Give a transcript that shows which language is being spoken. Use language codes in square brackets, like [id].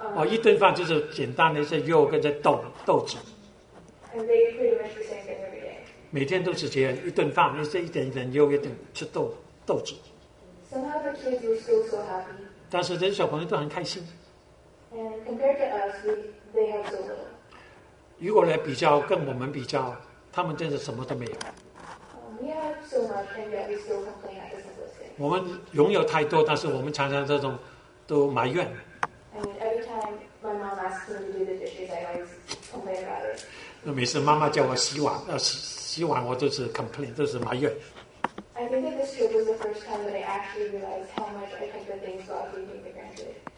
[zh] 一顿饭就是简单的一些肉跟一些豆子。 [en] And they pretty much the same thing every day. [zh] 每天都是这样，一顿饭，一些一点一点肉，一点吃豆子。 [en] Somehow the kids were still so happy. [zh] 但是这些小朋友都很开心。 [en] And compared to us, they have so little. [zh] 如果来比较，跟我们比较，他们真的什么都没有。 [en] We have so much, and yet we still complain at the simplest things. [zh] 我们拥有太多，但是我们常常这种都埋怨。 [en] And every time my mom asks me to do the dishes, I always complain about it. [zh] 每次妈妈叫我洗碗，洗碗我都是 complain， 都是埋怨。 [en] I think that this trip was the first time that I actually realized how much I took the things God gave me for granted.